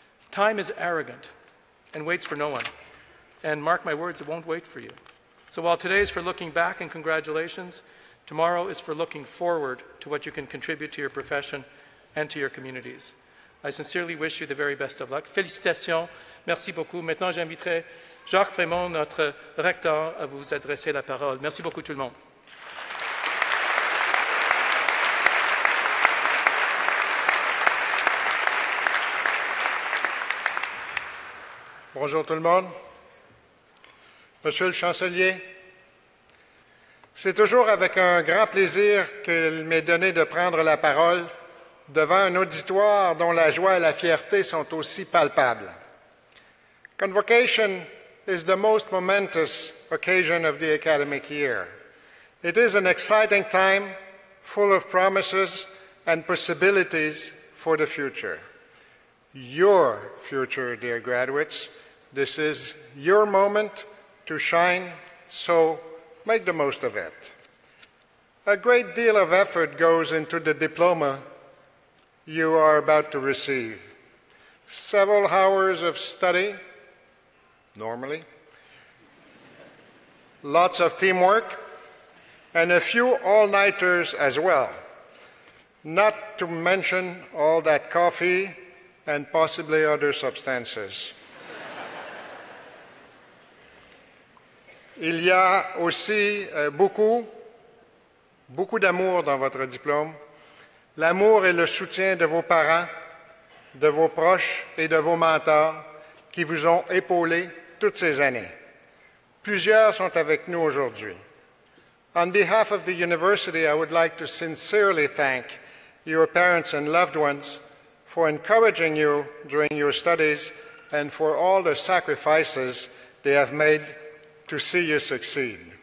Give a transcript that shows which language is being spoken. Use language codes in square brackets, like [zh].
[en] Time is arrogant and waits for no one. And mark my words, it won't wait for you. So while today is for looking back and congratulations, tomorrow is for looking forward to what you can contribute to your profession and to your communities. I sincerely wish you the very best of luck. [fr] Félicitations. Merci beaucoup. Maintenant, j'inviterai Jacques Frémont, notre recteur, à vous adresser la parole. Merci beaucoup, tout le monde. Bonjour, tout le monde. Monsieur le chancelier, c'est toujours avec un grand plaisir qu'il m'est donné de prendre la parole devant un auditoire dont la joie et la fierté sont aussi palpables. [en] Convocation is the most momentous occasion of the academic year. It is an exciting time, full of promises and possibilities for the future. Your future, dear graduates, this is your moment to shine, so make the most of it. A great deal of effort goes into the diploma you are about to receive. Several hours of study, normally, lots of teamwork, and a few all-nighters as well. Not to mention all that coffee and possibly other substances. [fr] Il y a aussi beaucoup d'amour dans votre diplôme. L'amour et le soutien de vos parents, de vos proches et de vos mentors qui vous ont épaulé toutes ces années. Plusieurs sont avec nous aujourd'hui. [en] On behalf of the university, I would like to sincerely thank your parents and loved ones for encouraging you during your studies and for all the sacrifices they have made to see you succeed.